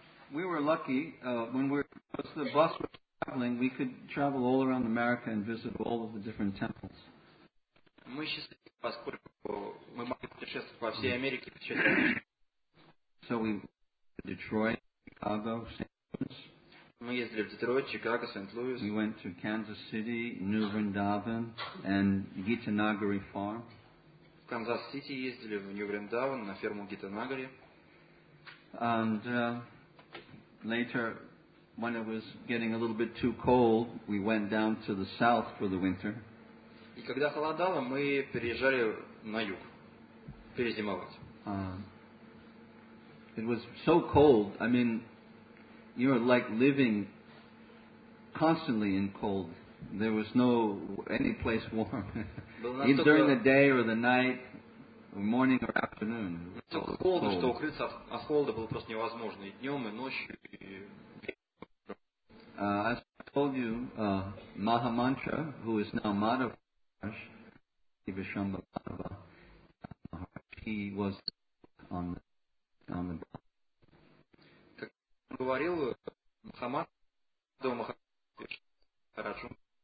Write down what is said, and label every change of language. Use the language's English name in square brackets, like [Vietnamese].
[English] We were lucky when we was the bus was traveling, we could travel all around America and visit all of the different temples. [Russian] Мы счастливы, поскольку мы могли путешествовать по всей Америке, посещать. [English] So we went to Detroit, Chicago, St. Louis. [Russian] Мы ездили в Детройт, Чикаго, Сент-Луис. [English] We went to Kansas City, New Vrindavan, and Gitanagari Farm. [Russian] В Канзас-Сити ездили, в Нью-Вриндаван, на ферму Гитанагари. [English] And later, when it was getting a little bit too cold, we went down to the south for the winter. [Russian] И когда холодало, мы переезжали на юг, перезимовать. [English] It was so cold. I mean, you're like living constantly in cold. There was no any place warm. Either during the day or the night. Morning or afternoon. [Russian] Что укрыться от холода было просто невозможно и днем, и ночью. [English] As I told you, Mahamantra, who is now Maharaj, Vishamba Bhava, he was on the. [Russian] Как говорил Махамантра, хорошо.